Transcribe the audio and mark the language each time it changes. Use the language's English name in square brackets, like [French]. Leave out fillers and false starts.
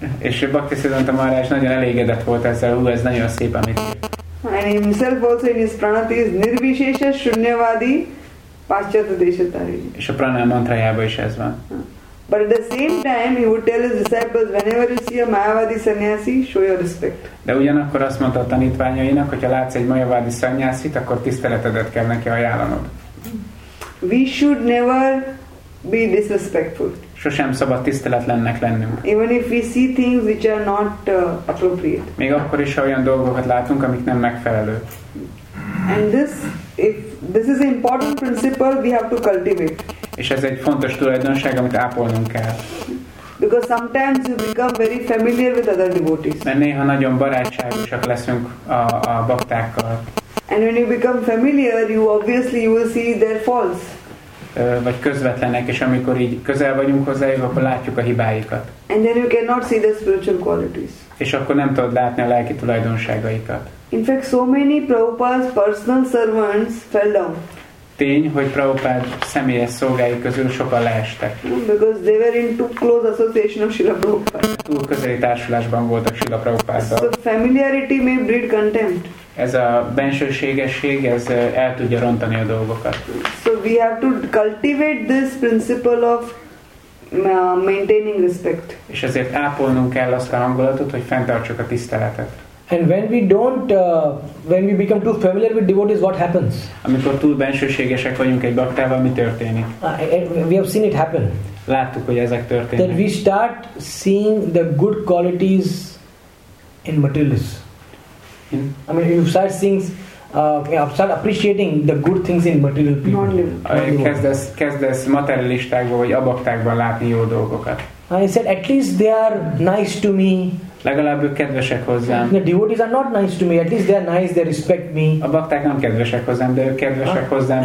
[Hungarian] És Bhaktisiddhanta Maharaj nagyon elégedett volt ezzel. Hú, ez nagyon szép, amit írt. [English] And himself also in his pranati is [Sanskrit] nirvishesha shunyavadi paschata deshatari. [Hungarian] És a pranam mantrajában is ez van. [English] But at the same time, he would tell his disciples, whenever you see a Mayavadi sannyasi, show your respect. [Hungarian] De ugyanakkor azt mondta a tanítványainak, hogyha látsz egy Mayavadi sannyasit, akkor tiszteletedet kell neki ajánlanod. [English] We should never be disrespectful. [Hungarian] Sosem szabad tiszteletlennek lennünk. [English] Even if we see things which are not appropriate. [Hungarian] Még akkor is olyan dolgokat látunk, amik nem megfelelő. [English] And this, if this is an important principle, we have to cultivate. [Hungarian] És ez egy fontos tulajdonság, amit ápolnunk kell. [English] Because sometimes you become very familiar with other devotees. [Hungarian] Mert néha nagyon barátságosak leszünk a baktákkal. [English] And when you become familiar, you obviously you will see their faults. [Hungarian] Vagy közvetlenek, és amikor így közel vagyunk hozzájuk, akkor látjuk a hibáikat. [English] And then you cannot see the spiritual qualities. [Hungarian] És akkor nem tudod látni a lelki tulajdonságaikat. [English] In fact, so many Prabhupada's personal servants fell down. [Hungarian] Tény, hogy Prabhupád személyes szolgái közül sokan leestek. [English] Because they were in too close association of Srila Prabhupada. [Hungarian] Túl közeli társulásban voltak Srila Prabhupáddal. [English] So familiarity may breed contempt. [Hungarian] Ez a bensőségesség, ez el tudja rontani a dolgokat. [English] So we have to cultivate this principle of maintaining respect. [Hungarian] És ezért ápolnunk kell azt a hangulatot, hogy fenntartsuk a tiszteletet. [English] And when we don't, when we become too familiar with devotees, what happens? [Hungarian] Amikor túl bensőségesek vagyunk egy baktával, mi történik? [English] We have seen it happen. [Hungarian] Láttuk, hogy ezek történnek. [English] That we start seeing the good qualities in materialists. I mean, you start seeing, start appreciating the good things in material people. [Hungarian] Kezdesz materialistákban vagy abaktákban látni jó dolgokat. [English] I said, at least they are nice to me. [Hungarian] Legalább ők kedvesek hozzám. [English] The devotees are not nice to me. At least they are nice. They respect me. [Hungarian] A bakták nem kedvesek hozzám, de ők kedvesek hozzám.